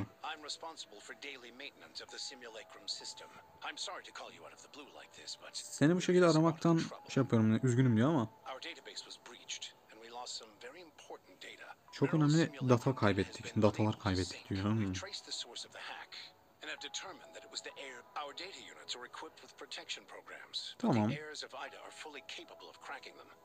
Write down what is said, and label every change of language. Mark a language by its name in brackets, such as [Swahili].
[English] I'm responsible for daily maintenance of the simulacrum system. I'm sorry to call you out of the blue like this, but [Turkish] seni bu şekilde aramaktan şey yapıyorum, üzgünüm diyor ama. [English] Our database was breached and we lost some very important data. [Turkish] Çok önemli data kaybettik. Datalar kaybettik diyor. [English] We traced the source of the hack and have determined that it was the air. Our data units are equipped with protection programs. [Turkish] Tamam. [English] The heirs of Ida are fully capable of cracking them.